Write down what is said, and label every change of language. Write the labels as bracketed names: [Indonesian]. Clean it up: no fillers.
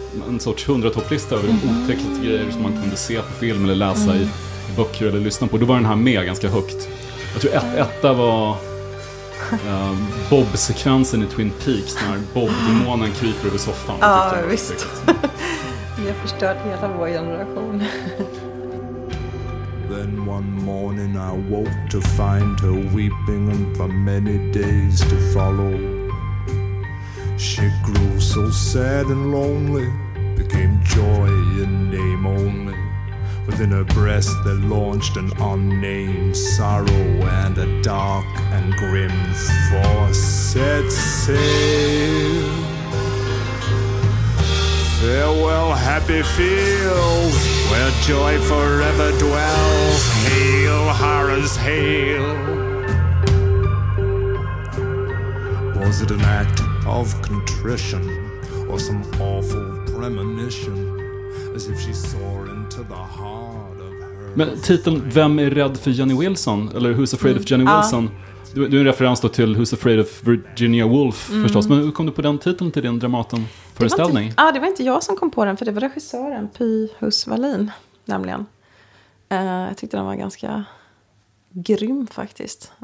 [Swedish] En sorts 100 topplista över de otäckaste grejer som man kunde se på film eller läsa i böcker eller lyssna på. Då var den här med ganska högt. Jag tror etta var Bob-sekvensen i Twin Peaks när Bob-demonen kryper över soffan. Ja, visst. Jag har förstört hela vår generation. [English] Then one morning I woke to find her weeping, and for many days to follow. She grew so sad and lonely, became Joy in name only. within her breast there launched an unnamed sorrow and a dark and grim force set sail. Farewell, happy fields, where joy forever dwells. Hail, horrors, hail. Was it an act of contrition or some awful premonition, as if she saw into the heart of her. [Swedish] Men titeln Vem är rädd för Jenny Wilson, eller Who's Afraid of Jenny Wilson? Du är en referens då till Who's Afraid of Virginia Woolf förstås, men hur kom du på den titeln till din Dramaten föreställning? Ja, det var inte jag som kom på den, för det var regissören Py Husvallin nämligen. Jag tyckte den var ganska grym faktiskt.